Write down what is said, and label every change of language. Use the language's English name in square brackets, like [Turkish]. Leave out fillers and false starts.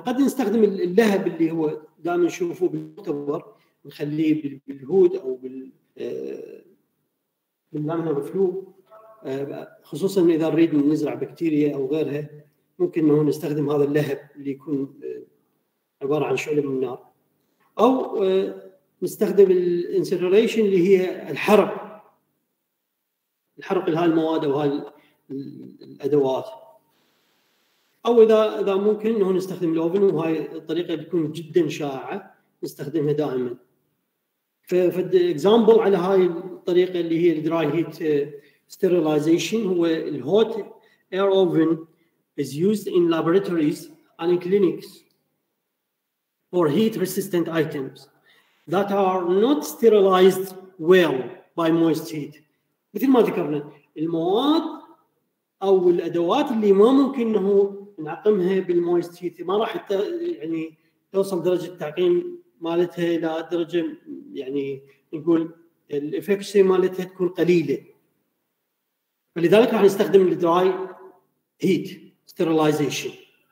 [Arabic] قد نستخدم اللهب اللي هو دائما نشوفه بالمختبر نخليه بالهود او باللامينر فلو، خصوصا اذا نريد نزرع بكتيريا او غيرها ممكن انه نستخدم هذا اللهب اللي يكون عباره عن شعله من النار، أو نستخدم الانسيريشن اللي هي الحرق، الحرق لهذه المواد أو هذه الأدوات، أو إذا ممكن إنه نستخدم الأوفن، وهاي الطريقة بتكون جدا شائعة نستخدمها دائما. [English] فد example [Arabic] على هاي الطريقة اللي هي [English] dry heat sterilization هو الhot air oven is used in laboratories and in clinics for heat-resistant items that are not sterilized well by moist heat. [Arabic] مثل ما ذكرنا المواد أو الأدوات اللي ما ممكن أنه نعقمها بالmoist heat ما راح يعني توصل درجة التعقيم مالتها إلى درجة يعني نقول الإفكسي مالتها تكون قليلة، فلذلك راح نستخدم dry heat sterilization.